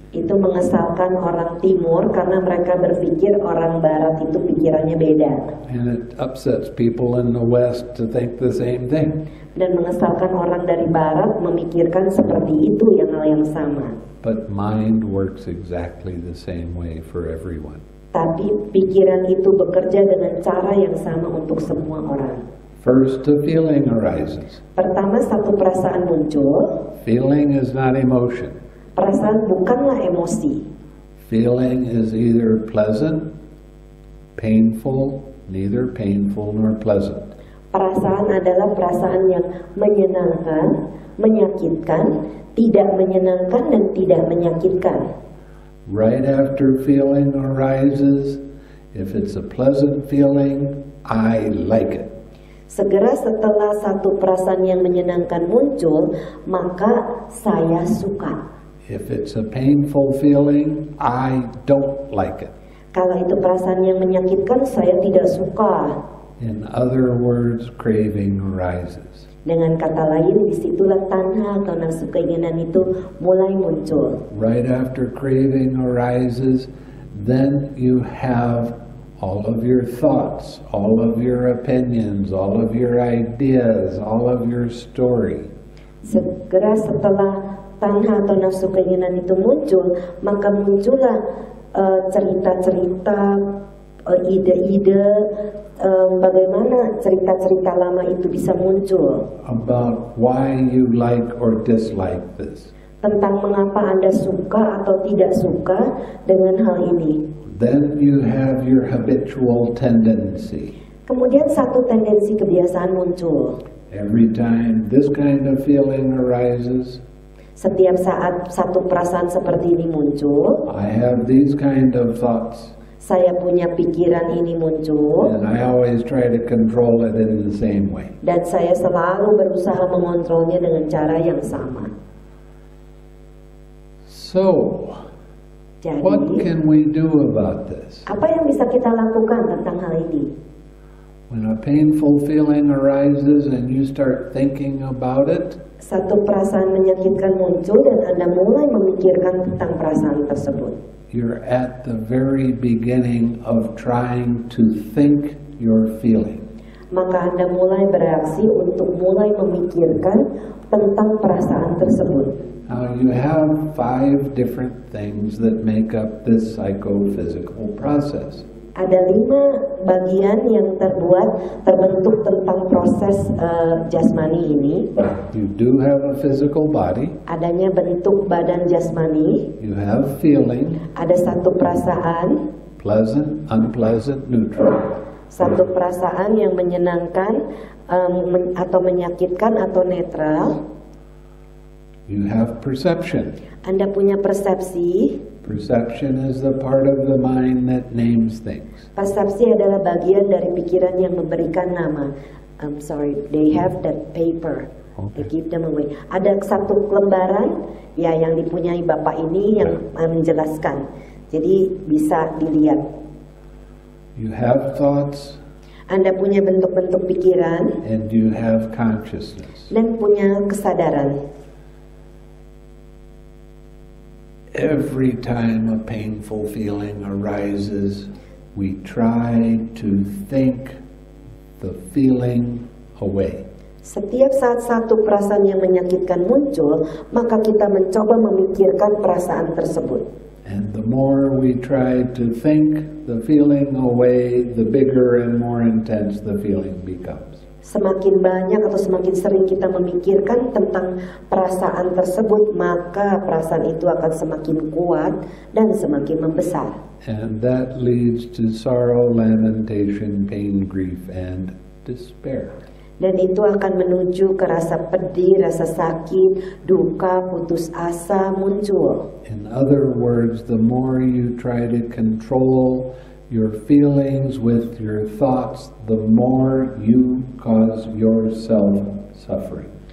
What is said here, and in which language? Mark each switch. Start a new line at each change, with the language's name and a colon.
Indonesian: Itu mengesalkan orang Timur karena mereka berpikir orang Barat itu pikirannya beda.
English: And it upsets people in the West to think the same thing.
Indonesian: Dan mengesalkan orang dari Barat memikirkan seperti itu yang hal yang sama.
English: But mind works exactly the same way for everyone.
Indonesian: Tapi pikiran itu bekerja dengan cara yang sama untuk semua orang.
English: First, a feeling arises.
Indonesian: Pertama, satu perasaan muncul.
English: Feeling is not emotion.
Indonesian: Perasaan bukanlah emosi.
English: Feeling is either pleasant, painful, neither painful nor pleasant.
Indonesian: Perasaan adalah perasaan yang menyenangkan, menyakitkan, tidak menyenangkan, dan tidak menyakitkan.
English: Right after feeling arises, if it's a pleasant feeling, I like it.
Indonesian: Segera setelah satu perasaan yang menyenangkan muncul, maka saya suka.
English: If it's a painful feeling, I don't like it.
Indonesian: Kalau itu perasaan yang menyakitkan, saya tidak suka.
English: In other words, craving arises.
Indonesian: Dengan kata lain, disitulah tanha atau nafsu keinginan itu mulai muncul.
English: Right after craving arises, then you have all of your thoughts, all of your opinions, all of your ideas, all of your story.
Indonesian: Segera setelah tanha atau nafsu keinginan itu muncul, maka muncullah cerita-cerita, ide-ide, bagaimana cerita-cerita lama itu bisa muncul.
English: About why you like or dislike this.
Indonesian: Tentang mengapa Anda suka atau tidak suka dengan hal ini.
English: Then you have your habitual tendency.
Indonesian: Kemudian satu tendensi kebiasaan muncul.
English: Every time this kind of feeling arises,
Indonesian: setiap saat satu perasaan seperti ini muncul,
English: I have these kind of thoughts.
Indonesian: Saya punya pikiran ini muncul.
English: And I always try to control it in the same way.
Indonesian: Dan saya selalu berusaha mengontrolnya dengan cara yang sama.
English: So,
Indonesian: jadi,
English: what can we do about this?
Indonesian: Apa yang bisa kita lakukan tentang hal ini?
English: When a painful feeling arises and you start thinking about it,
Indonesian: satu perasaan menyakitkan muncul dan Anda mulai memikirkan tentang perasaan tersebut,
English: you're at the very beginning of trying to think your feeling.
Indonesian: Maka Anda mulai bereaksi untuk mulai memikirkan tentang perasaan tersebut.
English: Now you have five different things that make up this psychophysical process.
Indonesian: Ada lima bagian yang terbentuk tentang proses jasmani ini.
English: You do have a physical body.
Indonesian: Adanya bentuk badan jasmani.
English: You have feeling.
Indonesian: Ada satu perasaan.
English: Pleasant, unpleasant, neutral.
Indonesian: Satu perasaan yang menyenangkan atau menyakitkan atau netral.
English: You have perception.
Indonesian: Anda punya persepsi.
English: Perception is the part of the mind that names things.
Indonesian: Persepsi adalah bagian dari pikiran yang memberikan nama.
English: I'm sorry, they have that paper. Okay. They give them away.
Indonesian: Ada satu lembaran ya yang dipunyai Bapak ini yang menjelaskan. Jadi bisa dilihat.
English: You have thoughts.
Indonesian: Anda punya bentuk-bentuk pikiran.
English: And you have consciousness.
Indonesian: Dan punya kesadaran.
English: Every time a painful feeling arises, we try to think the feeling away.
Indonesian: Setiap saat satu perasaan yang menyakitkan muncul, maka kita mencoba memikirkan perasaan tersebut.
English: And the more we try to think the feeling away, the bigger and more intense the feeling becomes.
Indonesian: Semakin banyak atau semakin sering kita memikirkan tentang perasaan tersebut, maka perasaan itu akan semakin kuat dan semakin membesar.
English: And that leads to sorrow, lamentation, pain, grief, and despair.
Indonesian: Dan itu akan menuju ke rasa pedih, rasa sakit, duka, putus asa muncul.
English: In other words, the more you try to control your feelings with your thoughts, the more you cause yourself suffering.